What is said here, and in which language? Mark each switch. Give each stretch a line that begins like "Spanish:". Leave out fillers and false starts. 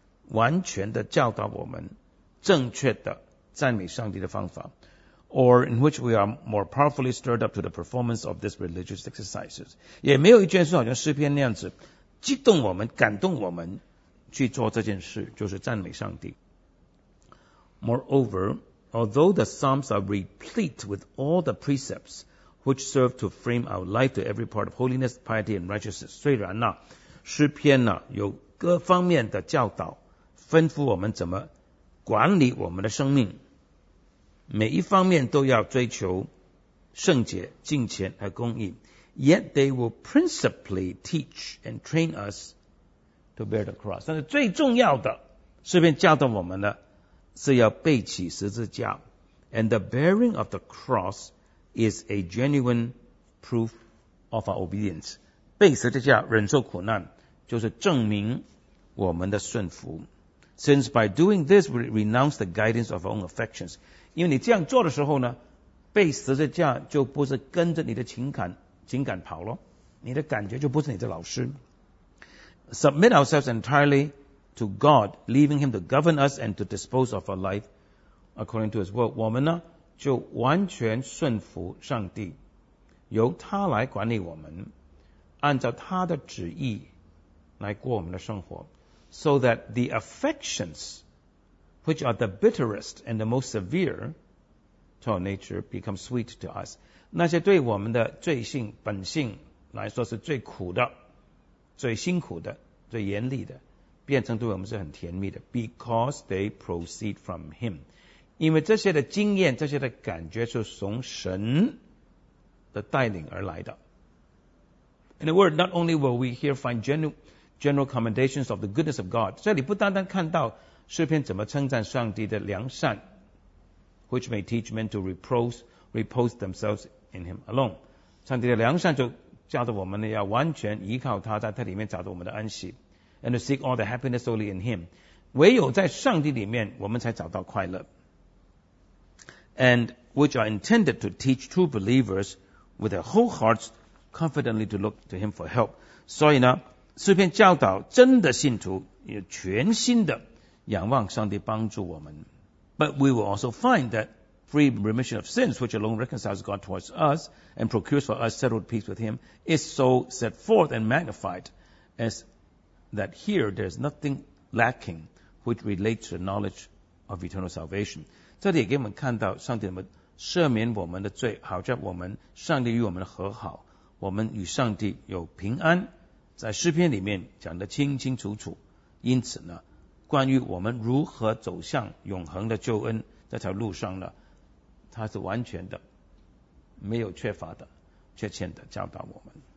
Chinese: 完全的教导我们正确的赞美上帝的方法
English: or in which we are more powerfully stirred up to the performance of these religious exercises.
Chinese: 也没有一卷书好像诗篇那样子激动我们感动我们去做这件事就是赞美上帝。
English: Moreover, although the Psalms are replete with all the precepts which serve to frame our life to every part of holiness, piety, and righteousness,
Chinese: 虽然呢、啊、诗篇呢、啊、有各方面的教导吩咐我们怎么管理我们的生命每一方面都要追求圣洁、敬虔和公义
English: yet they will principally teach and train us to bear the cross.
Chinese: 但是最重要的诗篇教导我们的是要背起十字架
English: and the bearing of the cross is a genuine proof of our obedience.
Chinese: 背十字架忍受苦难就是证明我们的顺服
English: since by doing this we renounce the guidance of our own affections.
Chinese: 因为你这样做的时候呢背十字架就不是跟着你的情感跑了你的感觉就不是你的老师
English: submit ourselves entirely to God, leaving him to govern us and to dispose of our life according to his will.
Chinese: 我们呢就完全顺服上帝由他来管理我们按照他的旨意来过我们的生活
English: so that the affections which are the bitterest and the most severe to our nature become sweet to us.
Chinese: 那些对我们的罪性本性来说是最苦的最辛苦的最严厉的变成对我们是很甜蜜的
English: because they proceed from him.
Chinese: 因为这些的经验这些的感觉是从神的带领而来的。
English: In a word, not only will we here find general commendations of the goodness of God,
Chinese: 这里不单单看到诗篇怎么称赞上帝的良善
English: which may teach men to repose themselves in him alone.
Chinese: 上帝的良善就教导我们要完全依靠他在他里面找到我们的安息。
English: And to seek all the happiness only in him.
Chinese: 唯有在上帝里面我们才找到快乐。
English: And which are intended to teach true believers with their whole hearts confidently to look to him for help.
Chinese: 所以呢诗篇教导真的信徒也全心的仰望上帝帮助我们。
English: But we will also find that free remission of sins which alone reconciles God towards us and procures for us settled peace with him is so set forth and magnified as that here there's nothing lacking which relates to the knowledge of eternal salvation.
Chinese: 这里也给我们看到上帝怎么赦免我们的罪好叫我们上帝与我们和好我们与上帝有平安在诗篇里面讲得清清楚楚因此呢关于我们如何走向永恒的救恩这条路上呢它是完全的没有缺乏的缺欠的教导我们